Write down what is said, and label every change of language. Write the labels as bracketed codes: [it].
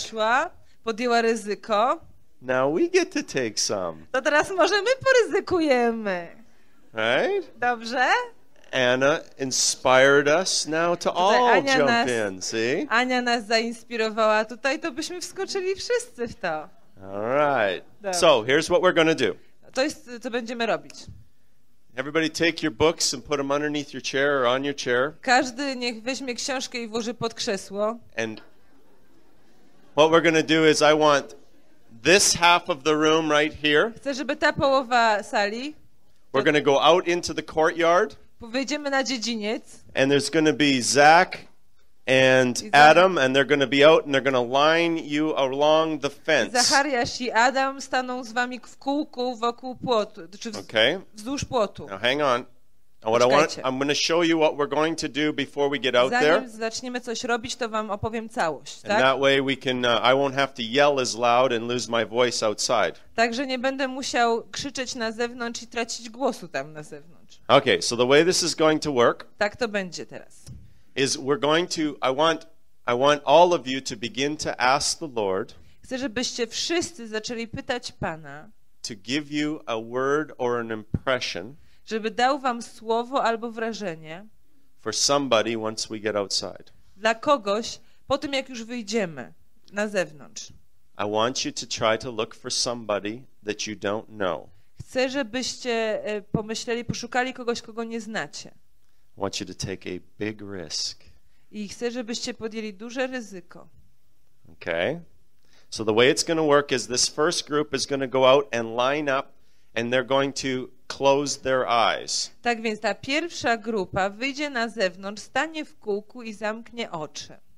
[pl] Przyszła, podjęła ryzyko. [en] Now we get to take some. [pl] To teraz może my poryzykujemy. [en] Right? [pl] Dobrze? [en] Anna inspired us now to all jump in, see? [pl] Ania nas zainspirowała tutaj, to byśmy wskoczyli wszyscy w to. [en] All right. [pl] Dobrze. [en] So here's what we're going to do. [pl] To jest, co będziemy robić. [en] Everybody take your books and put them underneath your chair or on your chair. [pl] Każdy niech weźmie książkę i włoży pod krzesło. [en] And what we're going to do is I want this half of the room right here. [pl] Chcę, żeby ta połowa sali. [en] We're going to go out into the courtyard. [pl] Wyjdziemy na dziedziniec. [en] And there's going to be Zach and Adam, and they're going to be out and they're going to line you along the fence. [pl] Zachariasz i Adam staną z wami w kółku wokół płotu, czy wzdłuż płotu. [en] Now hang on. I'm going to show you what we're going to do before we get out there. [pl] Zanim zaczniemy coś robić, to wam opowiem całość, tak? [en] And that way we can I won't have to yell as loud and lose my voice outside. [pl] Także nie będę musiał krzyczeć na zewnątrz i tracić głosu tam na zewnątrz. [en] Okay, so the way this is going to work. [pl] Tak to będzie teraz. [en] Is we're going to I want all of you to begin to ask the Lord. [pl] Chcę, żebyście wszyscy zaczęli pytać Pana. [en] To give you a word or an impression. [pl] Żeby dał wam słowo albo wrażenie. [en] For somebody once we get outside. [pl] Dla kogoś po tym jak już wyjdziemy na zewnątrz. [en] I want you to try to look for somebody that you don't know. [pl] Chcę, żebyście pomyśleli, poszukali kogoś, kogo nie znacie. [en] I want you to take a big risk. [pl] I chcę, żebyście podjęli duże ryzyko. [en] Okay. So the way it's going to work is this first group is going to go out and line up and they're going to close their eyes. [pl] Tak więc ta pierwsza grupa wyjdzie na zewnątrz, stanie w kółku i zamknie oczy.